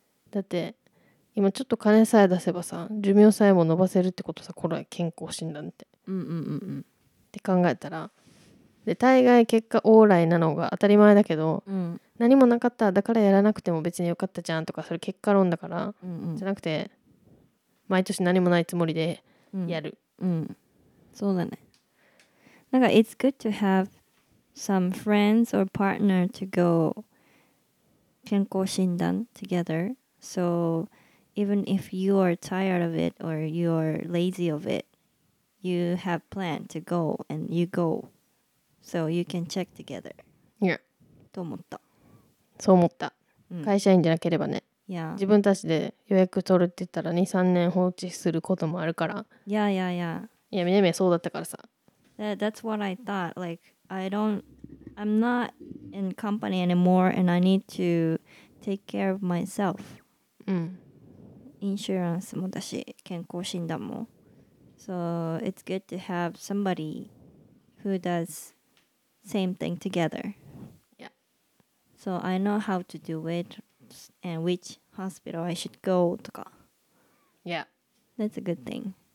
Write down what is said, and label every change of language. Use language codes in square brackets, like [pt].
[ja] だって、今ちょっと金さえ出せばさ、寿命さえも伸ばせるってことさ、これは健康診断って。うんうんうんうん、って考えたらで大概結果オーライなのが当たり前だけど、うん、何もなかっただからやらなくても別によかったじゃんとかそれ結果論だから、うんうん、じゃなくて毎年何もないつもりでやる、うんうん、そうだねなんか [en] It's good to have some friends or partner to go 健康診断 together So even if you are tired of it or you are lazy of itYou have planned to go and you go so you can check together. Yeah. [ja] と思った。そう思った。会社員じゃなければね。 [en] Yeah. [ja] 自分たちで予約取るって言ったら2、3年放置することもあるから。 [en] Yeah, yeah, yeah. [ja] いや、みねみねそうだったからさ。 [en] That's what I thought. Like, I'm not in company anymore and I need to take care of myself. [ja] うん。インシュランスもだし、健康診断も。 [en] So it's good to have somebody who does same thing together. Yeah. So I know how to do it and which hospital I should go [ja] とか. [en] Yeah. That's a good thing.